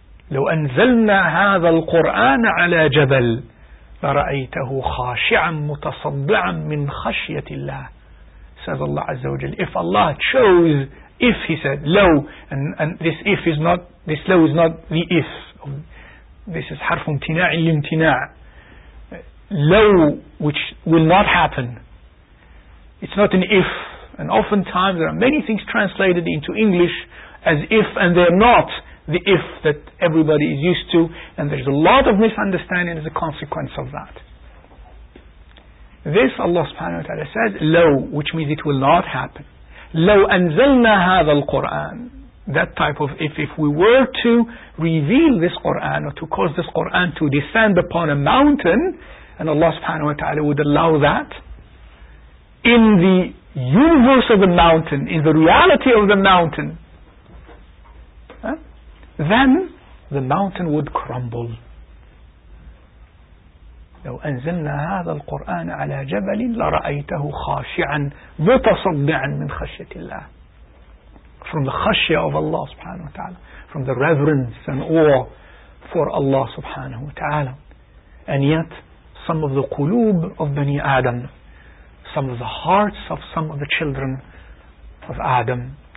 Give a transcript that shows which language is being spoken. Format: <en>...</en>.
<ar>لو أنزلنا هذا القرآن على جبل لَرَأَيْتَهُ خَاشِعًا مُتَصَدِّعًا مِّنْ خَشْيَةِ اللَّهِ,</ar> <en>says Allah Azza wa Jal. If Allah chose, if he said, low, and this if is not, this low is not the if, this is</en> <ar>حرف امتناع لامتناع,</ar> <en>low, which will not happen, it's not an if, and oftentimes there are many things translated into English as if, and they're not the if that everybody is used to, and there's a lot of misunderstanding as a consequence of that. This Allah subhanahu wa ta'ala says, low, which means it will not happen.</en> <ar>لو أنزلنا هذا القرآن,</ar> <en>that type of if we were to reveal this Qur'an or to cause this Qur'an to descend upon a mountain, and Allah subhanahu wa ta'ala would allow that, in the universe of the mountain, in the reality of the mountain, then the mountain would crumble.</en> <ar>لو أنزلنا هذا القرآن على جبل لرأيته خاشعا متصدعا من خشية الله.</ar> <en>From the خشية of Allah سبحانه وتعالى, from the reverence and awe for Allah سبحانه وتعالى. And yet some of the قلوب of Bani Adam, some of the hearts of some of the children of Adam,</en>